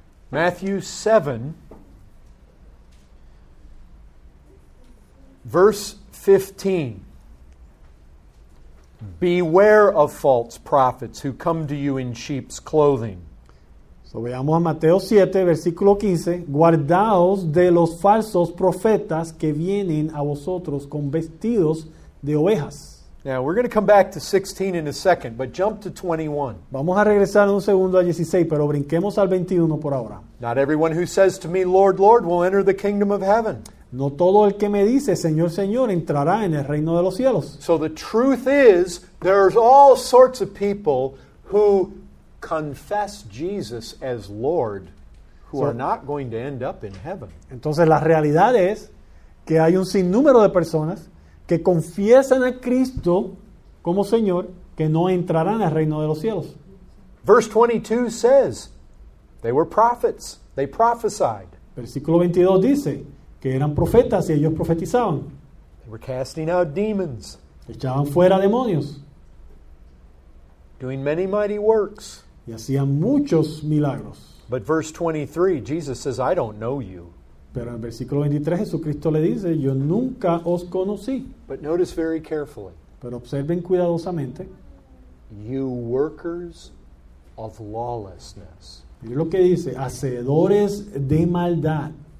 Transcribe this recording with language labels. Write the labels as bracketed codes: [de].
[en] Matthew 7, verse 15. Beware of false prophets who come to you in sheep's clothing. [es] So veamos a Mateo 7, versículo 15. Guardaos de los falsos profetas que vienen a vosotros con vestidos de ovejas. [en] Now, we're going to come back to 16 in a second, but jump to 21. [es] Vamos a regresar en un segundo a 16, pero brinquemos al 21 por ahora. [en] Not everyone who says to me, Lord, Lord, will enter the kingdom of heaven. [es] No todo el que me dice, Señor, Señor, entrará en el reino de los cielos. [en] So the truth is, there's all sorts of people who confess Jesus as Lord who are not going to end up in heaven. [es] Entonces la realidad es que hay un sinnúmero de personas que confiesan a Cristo como Señor, que no entrarán al reino de los cielos. [en] Verse 22 says, they were prophets, they prophesied. [es] Versículo 22 dice que eran profetas y ellos profetizaban. [en] They were casting out demons. [es] Echaban fuera demonios. [en] Doing many mighty works. [es] Y hacían muchos milagros. [en] But verse 23, Jesus says, I don't know you. [es] Pero en el versículo 23, Jesucristo le dice, yo nunca os conocí. [en] But notice very carefully. [es] Pero observen cuidadosamente. [en] You workers of lawlessness. [es] Mire lo que dice, hacedores de maldad.